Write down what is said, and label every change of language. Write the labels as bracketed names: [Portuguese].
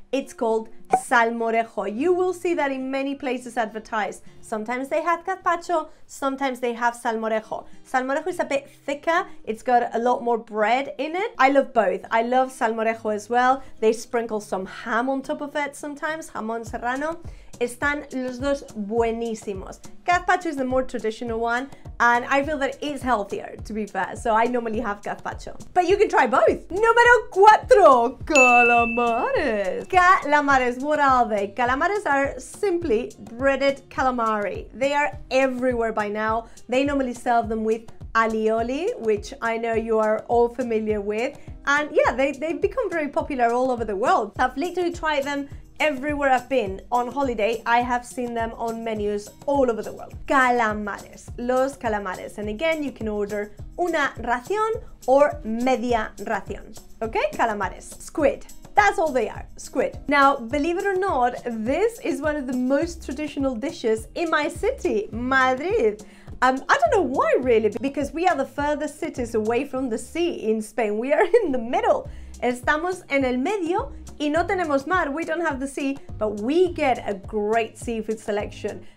[English] It's called salmorejo. You will see that in many places advertised. Sometimes they have gazpacho, sometimes they have salmorejo. Salmorejo is a bit thicker. It's got a lot more bread in it. I love both. I love salmorejo as well. They sprinkle some ham on top of it sometimes, jamón serrano. [Spanish] Están los dos buenísimos. [English] Gazpacho is the more traditional one, and I feel that it's healthier, to be fair, so I normally have gazpacho. But you can try both. [Spanish] Número cuatro, calamares. [English] Calamares, what are they? Calamares are simply breaded calamari. They are everywhere by now. They normally serve them with alioli, which I know you are all familiar with. And yeah, they've become very popular all over the world. I've literally tried them everywhere I've been on holiday. I have seen them on menus all over the world. [Spanish] Calamares, los calamares. [English] And again, you can order una ración or media ración. Okay, calamares, squid. That's all they are, squid. Now, believe it or not, this is one of the most traditional dishes in my city, Madrid. I don't know why really, because we are the furthest cities away from the sea in Spain. We are in the middle. [Spanish] Estamos en el medio y no tenemos mar, [English] we don't have the sea, but we get a great seafood selection.